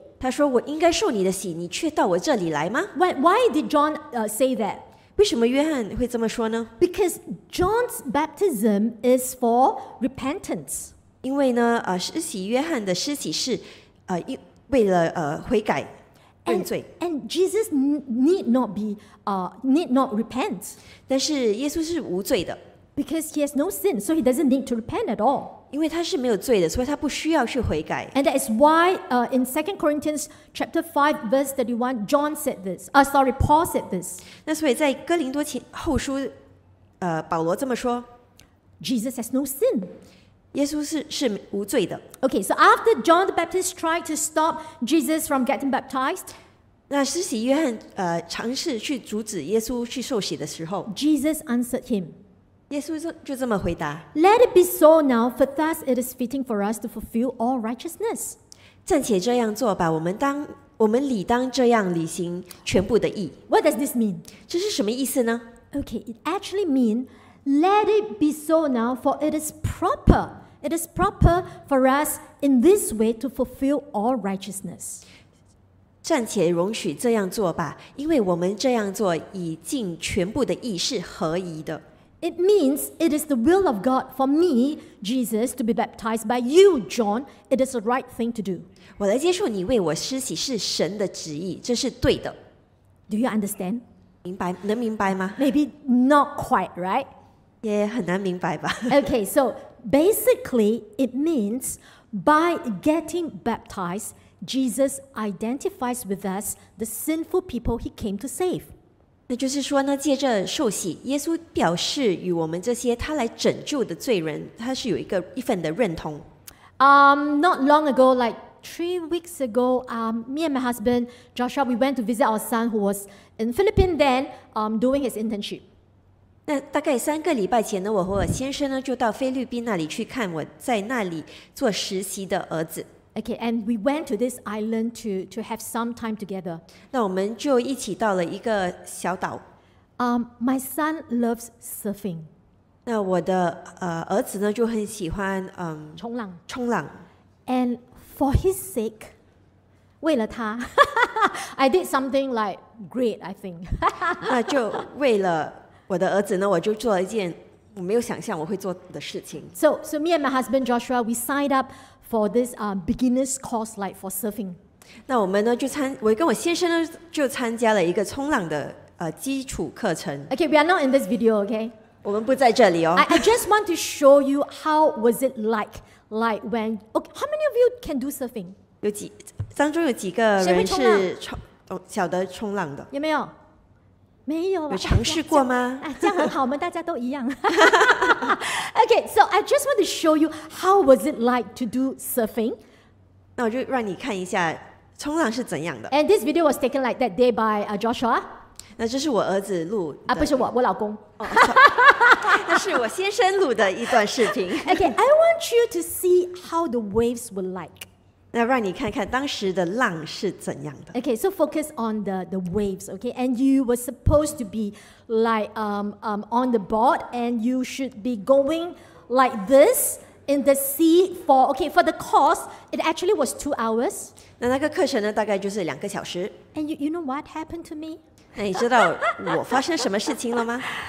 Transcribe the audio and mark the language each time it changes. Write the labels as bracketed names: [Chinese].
[Chinese] 他说我应该受你的洗，你却到我这里来吗？ [English] Why did John say that? [Chinese] 为什么约翰会这么说呢？ [English] Because John's baptism is for repentance. [Chinese] 因为呢，施洗约翰的施洗是为了悔改。 [English] And Jesus need not repent. [Chinese] 但是耶稣是无罪的。 [English] Because he has no sin, so he doesn't need to repent at all. [Chinese] 因为他是没有罪的，所以他不需要去悔改。 [English] And that is why, in 2 Corinthians chapter 5 verse 31, John said this. Paul said this. [Chinese] 那所以在哥林多前后书，保罗这么说。 [English] Jesus has no sin. [Chinese] 耶稣是无罪的。 [English] Okay, so after John the Baptist tried to stop Jesus from getting baptized. [Chinese] 那施洗约翰尝试去阻止耶稣去受洗的时候 [English] ，Jesus answered him. [Chinese] 耶稣就这么回答 [English] ：“Let it be so now, for thus it is fitting for us to fulfill all righteousness. [Chinese] 暂且这样做吧，我们理当这样履行全部的义。 [English] What does this mean? [Chinese] 这是什么意思呢 [English] ？Okay, it actually means let it be so now, for it is proper. It is proper for us in this way to fulfill all righteousness. [Chinese] 暂且容许这样做吧，因为我们这样做已尽全部的义是合宜的。 [English] It means it is the will of God for me, Jesus, to be baptized by you, John. It is the right thing to do. [Chinese] 我来接受你为我施洗是神的旨意，这是对的。 [English] Do you understand? [Chinese] 明白，能明白吗 [English] ？Maybe not quite, right? [Chinese] 也很难明白吧。 [English] Okay, so basically, it means by getting baptized. Jesus identifies with us the sinful people he came to save. [Chinese] 那就是说呢，借着受洗，耶稣表示与我们这些他来拯救的罪人，他是有一份的认同。 [English] Not long ago, like 3 weeks ago, me and my husband Joshua, we went to visit our son who was in Philippines then, doing his internship. [Chinese] 那大概三个礼拜前呢，我和我先生呢就到菲律宾那里去看我在那里做实习的儿子。 [English] Okay, and we went to this island to have some time together. [Chinese] 那我们就一起到了一个小岛。 [English] My son loves surfing. [Chinese] 那我的儿子呢就很喜欢冲浪。冲浪。 [English] And for his sake, [Chinese] 为了他 [English] I did something like great, I think. [Chinese] 那就为了我的儿子呢，我就做了一件我没有想象我会做的事情。 [English] So me and my husband Joshua, we signed up. For this beginner's course, like for surfing. [Chinese] 那我们呢就参，我跟我先生呢就参加了一个冲浪的基础课程。 [English] Okay, we are not in this video. Okay. [Chinese] 我们不在这里哦。 [English] I just want to show you how was it like when. Okay, how many of you can do surfing? [Chinese] 有几当中有几个人是晓得冲浪的？有没有？没有。有尝试过吗？这样很好，我们大家都一样。 [English] Okay, so I just want to show you how was it like to do surfing. [Chinese] 那我就让你看一下冲浪是怎样的。 [English] And this video was taken like that day by Joshua. [Chinese] 那这是我儿子录的。不是我老公。那是我先生录的一段视频。 [English] Okay, I want you to see how the waves were like. [Chinese] 那让你看看当时的浪是怎样的。 [English] Okay, so focus on the waves, okay? And you were supposed to be... like on the board and you should be going like this in the sea for the course it actually was 2 hours [Chinese] 那个课程呢大概就是两个小时 [English] and you know what happened to me [Chinese] 那你知道我发生什么事情了吗